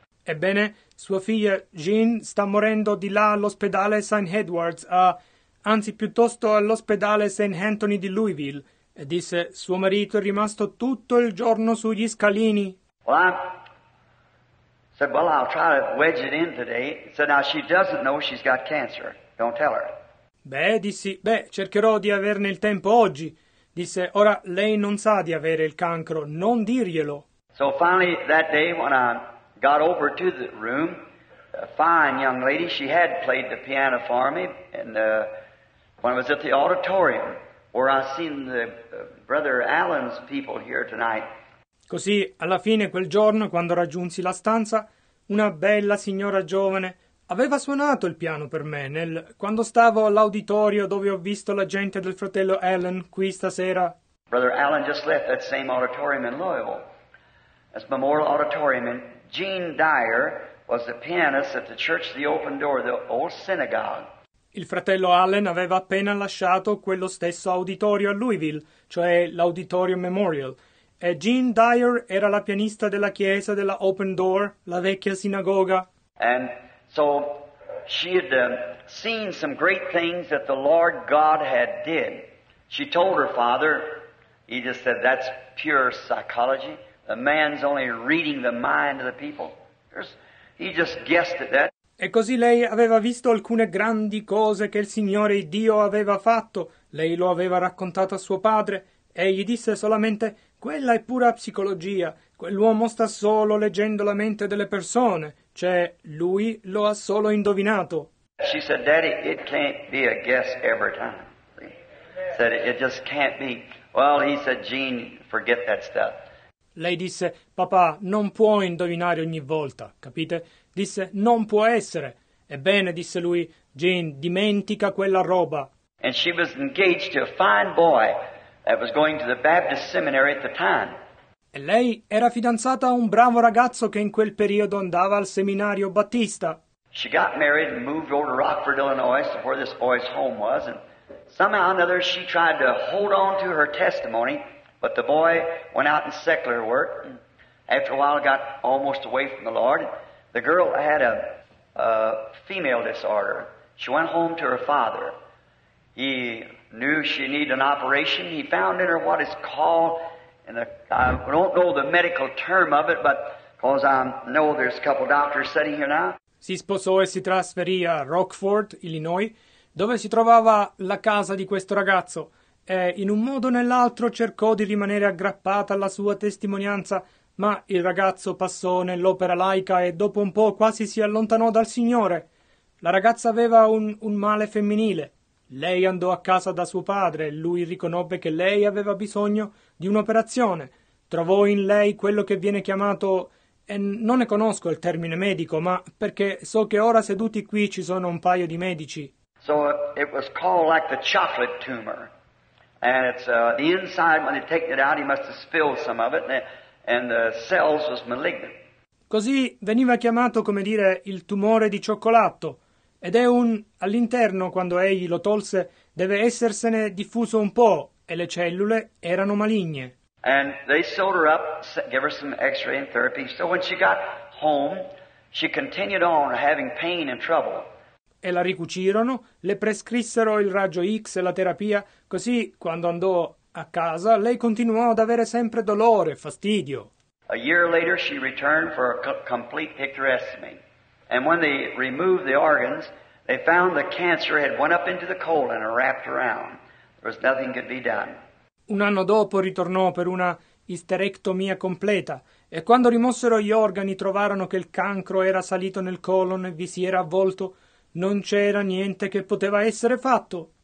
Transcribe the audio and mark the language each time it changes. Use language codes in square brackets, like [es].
[it] Ebbene, sua figlia Jean sta morendo di là all'ospedale St. Edward's, anzi piuttosto all'ospedale St. Anthony di Louisville. E disse, suo marito è rimasto tutto il giorno sugli scalini. [en] Well, I said, well, I'll try to wedge it in today. So now she doesn't know she's got cancer. Don't tell her. [it] Beh, dissi, beh, cercherò di averne il tempo oggi. Disse, ora lei non sa di avere il cancro, non dirglielo. [en] So finally that day when I got over to the room, a fine young lady, she had played the piano for me, and when I was at the auditorium, where I seen the brother Allen's people here tonight. [it] Così, alla fine quel giorno, quando raggiunsi la stanza, una bella signora giovane aveva suonato il piano per me quando stavo all'auditorio dove ho visto la gente del fratello Allen qui stasera. [en] Brother Allen just left that same auditorium in Louisville. That's Memorial Auditorium. And Jean Dyer was the pianist at the Church of the Open Door, the old synagogue. [it] Il fratello Allen aveva appena lasciato quello stesso auditorio a Louisville, cioè l'Auditorio Memorial, e Jean Dyer era la pianista della chiesa della Open Door, la vecchia sinagoga. [en] And so she had seen some great things that the Lord God had did. She told her father, he just said, that's pure psychology. The man's only reading the mind of the people. He just guessed at that. [it] E così lei aveva visto alcune grandi cose che il Signore Dio aveva fatto. Lei lo aveva raccontato a suo padre. Egli disse solamente, quella è pura psicologia. Quell'uomo sta solo leggendo la mente delle persone. Cioè, lui lo ha solo indovinato. [en] She said, Daddy, it can't be a guess every time. Said, it just can't be. Well, he said, Gene, forget that stuff. [it] Lei disse, papà, non può indovinare ogni volta, capite? Disse, non può essere. Ebbene, disse lui, Jean, dimentica quella roba. [en] And she was engaged to a fine boy that was going to the Baptist seminary at the time. [it] E lei era fidanzata a un bravo ragazzo che in quel periodo andava al seminario battista. [en] She got married and moved over to Rockford, Illinois, where this boy's home was, and somehow or another she tried to hold on to her testimony. But the boy went out in secular work, and after a while got almost away from the Lord. The girl had a female disorder. She went home to her father. He knew she needed an operation. He found in her what is called, and I don't know the medical term of it, but because I know there's a couple doctors sitting here now. [it] Si sposò e si trasferì a Rockford, Illinois, dove si trovava la casa di questo ragazzo. E in un modo o nell'altro cercò di rimanere aggrappata alla sua testimonianza, ma il ragazzo passò nell'opera laica e dopo un po' quasi si allontanò dal Signore. La ragazza aveva un male femminile. Lei andò a casa da suo padre e lui riconobbe che lei aveva bisogno di un'operazione. Trovò in lei quello che viene chiamato, e non ne conosco il termine medico, ma perché so che ora seduti qui ci sono un paio di medici. [en] So it was called like the chocolate tumor. And it's the inside, when they take it out, he must have spilled some of it, and the cells was malignant. [it] Così veniva chiamato, come dire, il tumore di cioccolato. Ed è un, all'interno, quando egli lo tolse, deve essersene diffuso un po', e le cellule erano maligne. [en] And they sewed her up, gave her some x-ray and therapy. So when she got home, she continued on having pain and trouble. [it] E la ricucirono, le prescrissero il raggio X e la terapia, così quando andò a casa lei continuò ad avere sempre dolore e fastidio. [en] A year later she returned for a complete hysterectomy. And when they removed the organs, they found the cancer had went up into the colon and wrapped around. There was nothing could be done. [it] Un anno dopo ritornò per una isterectomia completa. E quando rimossero gli organi trovarono che il cancro era salito nel colon e vi si era avvolto. Non c'era niente che poteva essere fatto.